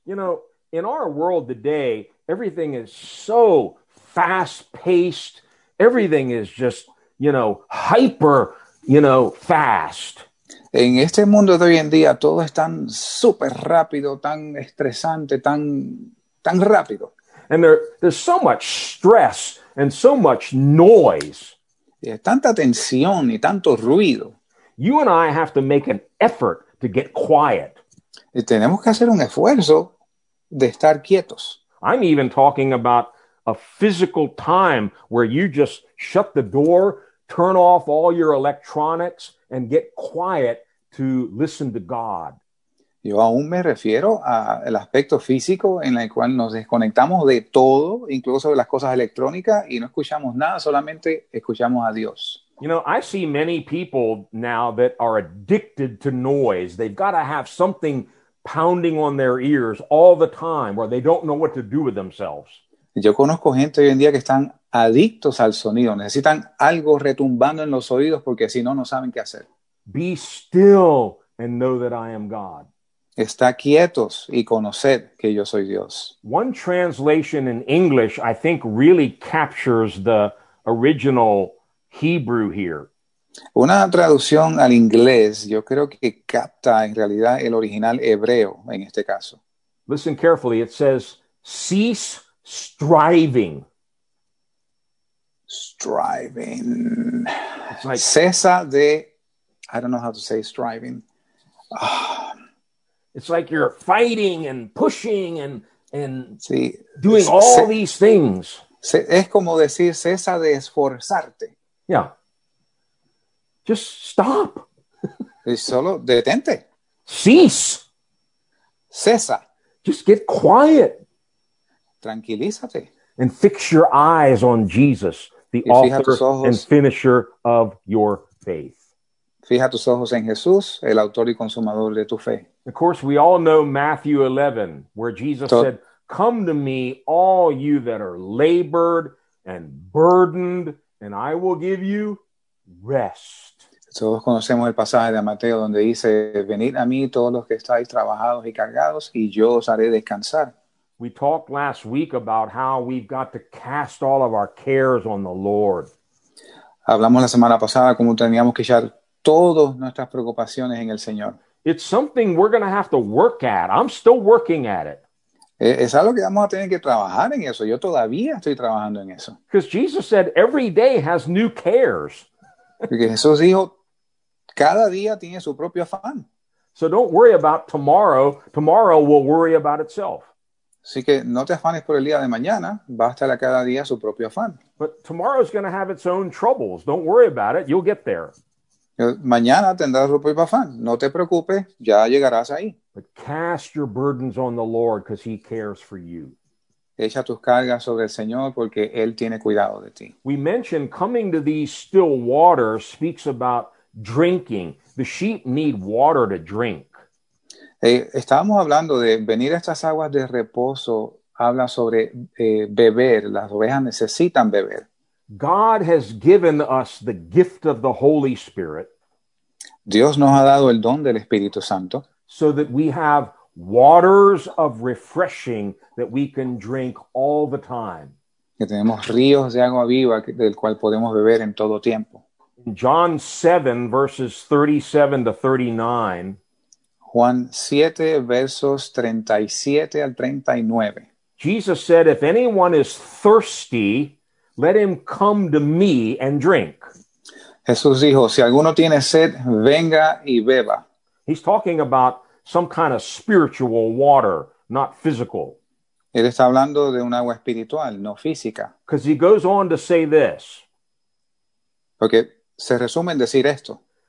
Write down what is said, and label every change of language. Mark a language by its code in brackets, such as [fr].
[en] You know, in our world today, everything is so fast-paced. Everything is just, you know, hyper, you know, fast. [es] En este mundo de hoy en día, todo es tan súper rápido, tan estresante, tan rápido. [en] And there's so much stress and so much noise. [es] Y hay tanta tensión y tanto ruido. [en] You and I have to make an effort to get quiet. [es] Y tenemos que hacer un esfuerzo de estar quietos. [en] I'm even talking about a physical time where you just shut the door, turn off all your electronics, and get quiet to listen to God. [es] Yo aún me refiero a el aspecto físico en el cual nos desconectamos de todo, incluso de las cosas electrónicas, y no escuchamos nada, solamente escuchamos a Dios. [en] You know, I see many people now that are addicted to noise. They've got to have something pounding on their ears all the time, or they don't know what to do with themselves. [es] Yo conozco gente hoy en día que están adictos al sonido. Necesitan algo retumbando en los oídos porque si no, no saben qué hacer. [en] Be still and know that I am God. [es] Está quietos y conoced que yo soy Dios. [en] One translation in English, I think, really captures the original Hebrew here. [es] Una traducción al inglés, yo creo que capta en realidad el original hebreo en este caso. [en] Listen carefully. It says, cease striving. Striving. It's like, [es] cesa de, [en] I don't know how to say striving. Oh. It's like you're fighting and pushing and sí, doing all these things. [es] Es como decir, cesa de esforzarte. [en] Yeah. Just stop. [es] Solo detente. [en] Cease. [es] Cesa. [en] Just get quiet. [es] Tranquilízate. [en] And fix your eyes on Jesus, the author and finisher of your faith. [es] Fija tus ojos en Jesús, el autor y consumador de tu fe. [en] Of course, we all know Matthew 11, where Jesus said, come to me, all you that are labored and burdened, and I will give you rest. [es] Todos conocemos el pasaje de Mateo donde dice, venid a mí todos los que estáis trabajados y cargados, y yo os haré descansar. [en] We talked last week about how we've got to cast all of our cares on the Lord. [es] Hablamos la semana pasada cómo teníamos que echar todas nuestras preocupaciones en el Señor. [en] It's something we're going to have to work at. I'm still working at it. [es] Es algo que vamos a tener que trabajar en eso. Yo todavía estoy trabajando en eso. [en] Because Jesus said every day has new cares. [es] Porque Jesús dijo, cada día tiene su propio afán. [en] So don't worry about tomorrow. Tomorrow will worry about itself. [es] Así que no te afanes por el día de mañana. Basta a cada día su propio afán. [en] But tomorrow's going to have its own troubles. Don't worry about it. You'll get there. [es] Mañana tendrás su propio afán. No te preocupes. Ya llegarás ahí. [en] But cast your burdens on the Lord because he cares for you. [es] Echa tus cargas sobre el Señor porque él tiene cuidado de ti. [en] We mentioned coming to these still waters speaks about drinking. The sheep need water to drink. [es] Estábamos hablando de venir a estas aguas de reposo, habla sobre beber, las ovejas necesitan beber. [en] God has given us the gift of the Holy Spirit. [es] Dios nos ha dado el don del Espíritu Santo. [en] So that we have waters of refreshing that we can drink all the time. [es] Que tenemos ríos de agua viva del cual podemos beber en todo tiempo. [en] John 7, verses 37 to 39. [es] Juan 7, versos 37 al 39. [en] Jesus said, if anyone is thirsty, let him come to me and drink. [es] Jesús dijo, si alguno tiene sed, venga y beba. [en] He's talking about some kind of spiritual water, not physical. [es] Él está hablando de un agua espiritual, no física. [en] Because he goes on to say this. [es] Porque se resume en decir esto.